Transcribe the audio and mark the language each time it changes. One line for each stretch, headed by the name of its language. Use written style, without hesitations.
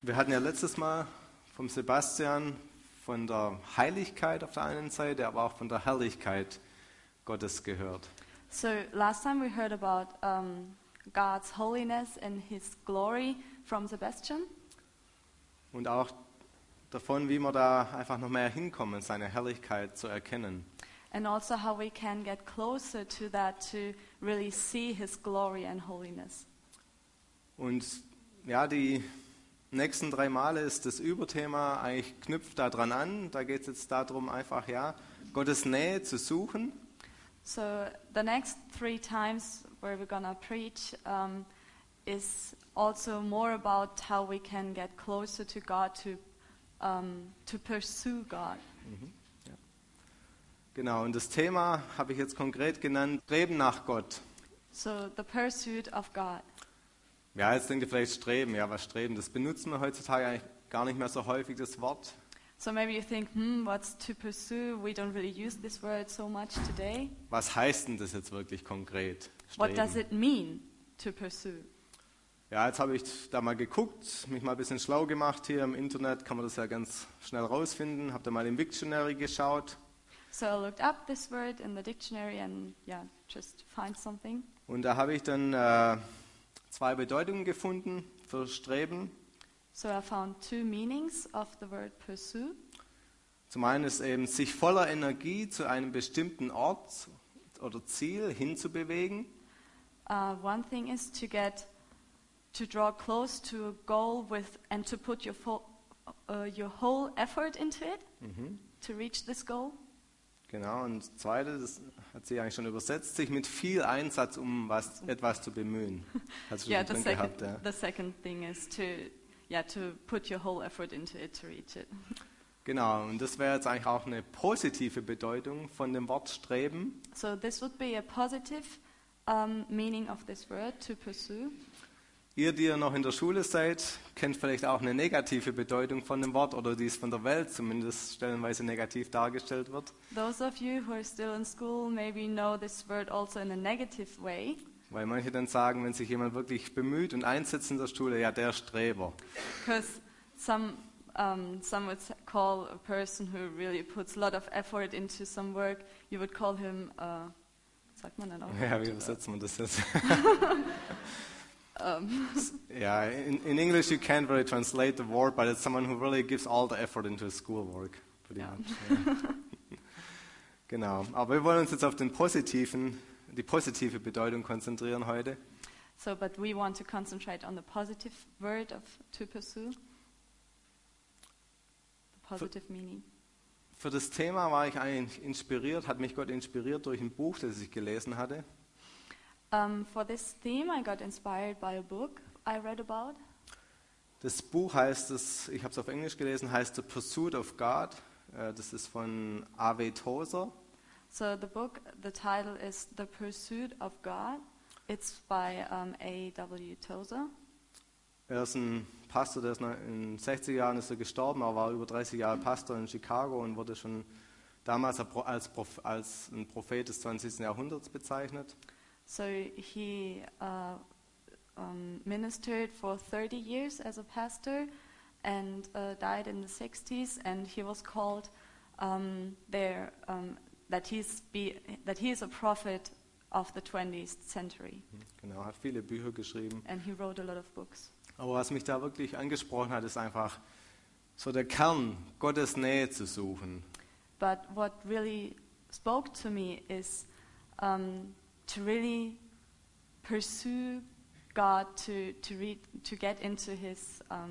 German: Wir hatten ja letztes Mal vom Sebastian von der Heiligkeit auf der einen Seite, aber auch von der Herrlichkeit Gottes gehört.
English: So last time we heard about God's holiness and his glory from Sebastian.
German: Und auch davon, wie wir da einfach noch mehr hinkommen, seine Herrlichkeit zu erkennen.
English: And also how we can get closer to that to really see his glory and holiness.
German: Und ja, die nächsten drei Male ist das Überthema eigentlich knüpft da dran an. Da geht es jetzt darum, einfach ja, Gottes Nähe zu suchen.
English: So the next three times where we're gonna preach is also more about how we can get closer to God to pursue God.
German: Genau, und das Thema habe ich jetzt konkret genannt, Streben nach Gott.
English: So the pursuit of God.
German: Ja, jetzt denkt ihr vielleicht Streben, ja, was Streben, das benutzen wir heutzutage eigentlich gar nicht mehr so häufig, das Wort.
English: So maybe you think, what's to pursue? We don't really use this word so much today.
German: Was heißt denn das jetzt wirklich konkret,
English: What does
German: Streben?
English: it mean to pursue?
German: Ja, jetzt habe ich da mal geguckt, mich mal ein bisschen schlau gemacht hier im Internet, kann man das ja ganz schnell rausfinden, habe da mal im Dictionary geschaut.
English: So I looked up this word in the dictionary and just find something.
German: Und da habe ich dann zwei Bedeutungen gefunden für Streben.
English: So I found two meanings of the word pursue.
German: Zum einen ist eben sich voller Energie zu einem bestimmten Ort oder Ziel hinzubewegen.
English: One thing is to get to draw close to a goal with and to put your whole effort into it to reach this goal.
German: Genau, und zweite, das hat sie eigentlich schon übersetzt, sich mit viel Einsatz um was etwas zu bemühen. Hast du
English: Yeah,
German: schon drin gehabt, ja.
English: the second thing is to to put your whole effort into it to reach it.
German: Genau, und das wäre jetzt eigentlich auch eine positive Bedeutung von dem Wort Streben.
English: So this would be a positive meaning of this word to pursue.
German: Ihr, die ihr noch in der Schule seid, kennt vielleicht auch eine negative Bedeutung von dem Wort oder die es von der Welt zumindest stellenweise negativ dargestellt wird.
English: Those of you who are still in school maybe know this word also in a negative way.
German: Weil manche dann sagen, wenn sich jemand wirklich bemüht und einsetzt in der Schule, ja, der Streber.
English: Because some would call a person who really puts a lot of effort into some work, you would call him,
German: sagt man dann auch? Ja, wie übersetzt man das jetzt?
English: Ja, in English you can't really translate the word, but it's someone who really gives all the effort into his schoolwork, pretty Yeah. much. Yeah. Genau.
German: Aber wir wollen uns jetzt auf den positiven, die positive Bedeutung konzentrieren heute.
English: So, but we want to concentrate on the positive word of to pursue. The positive meaning.
German: Für das Thema war ich eigentlich inspiriert, hat mich Gott inspiriert durch ein Buch, das ich gelesen hatte.
English: For this theme, I got inspired by a book I read about.
German: Das Buch heißt es, ich habe es auf Englisch gelesen, heißt The Pursuit of God. Das ist von A.W. Tozer.
English: So the book, the title is The Pursuit of God. It's by A.W. Tozer.
German: Er ist ein Pastor, der ist in 60 Jahren ist er gestorben, er war über 30 Jahre Pastor in Chicago und wurde schon damals als ein Prophet des 20. Jahrhunderts bezeichnet.
English: So he ministered for 30 years as a pastor and died in the 60s and he was called there that he is a prophet of the 20th century.
German: Genau, hat viele Bücher geschrieben.
English: And he wrote a lot of books.
German: Aber was mich da wirklich angesprochen hat, ist einfach so der Kern, Gottes Nähe zu suchen.
English: But what really spoke to me is to really pursue God to get into his